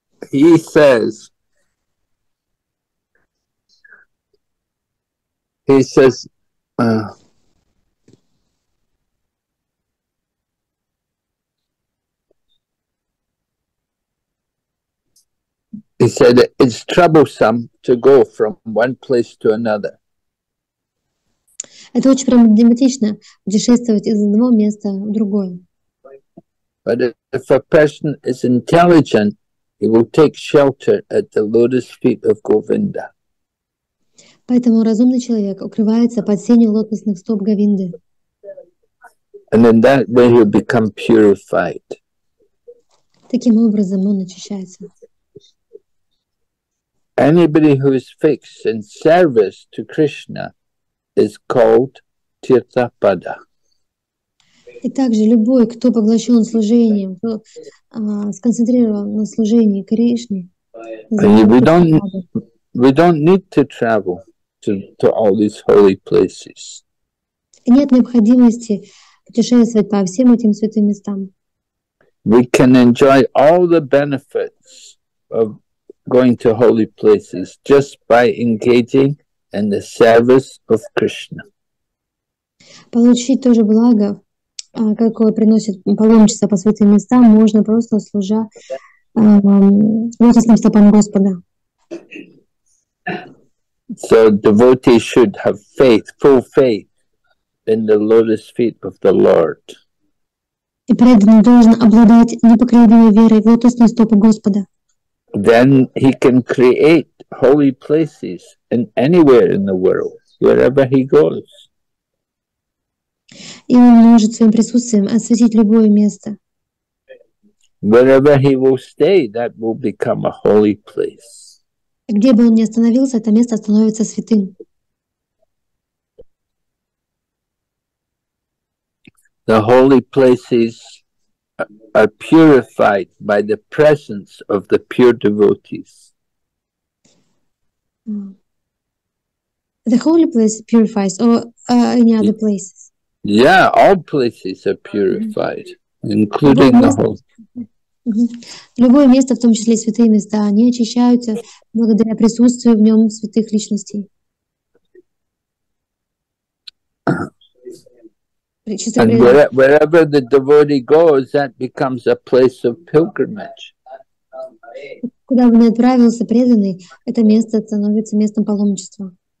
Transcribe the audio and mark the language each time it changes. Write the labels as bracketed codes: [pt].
[en] He says, he said it's troublesome to go from one place to another. [ru] Это очень проблематично путешествовать из одного места в другое. [en] But if a person is intelligent, he will take shelter at the lotus feet of Govinda. [ru] Поэтому разумный человек укрывается под сенью лотосных стоп Говинды. [en] And in that way he'll become purified. [ru] Таким образом он очищается. [en] Anybody who is fixed in service to Krishna is called Tirthapada. [ru] И также любой, кто поглощен служением, кто сконцентрирован на служении Кришне, [en] we don't need to travel to all these holy places. [ru] И нет необходимости путешествовать по всем этим святым местам. [en] We can enjoy all the benefits of going to holy places just by engaging in the service of Krishna. [ru] Получить тоже благо, какое приносит паломничество по святым местам, можно просто служа лотосным стопам Господа. [en] So devotee should have faith, full faith in the lotus feet of the Lord. [ru] И преданный должен обладать непоколебимой верой в лотосные стопы Господа. [en] Then he can create holy places in anywhere in the world, wherever he goes. [ru] И он может своим присутствием осветить любое место. [en] Wherever he will stay, that will become a holy place. [ru] Где бы он ни остановился, это место становится святым. [en] The holy places are purified by the presence of the pure devotees. The holy place purifies, or any other places? Yeah, all places are purified, including the holy. [ru] Любое место, в том числе святые места, они очищаются благодаря присутствию в нем святых личностей. [en] And wherever the devotee goes, that becomes a place of pilgrimage. [ru] Куда бы ни отправился преданный, это место становится местом паломничества.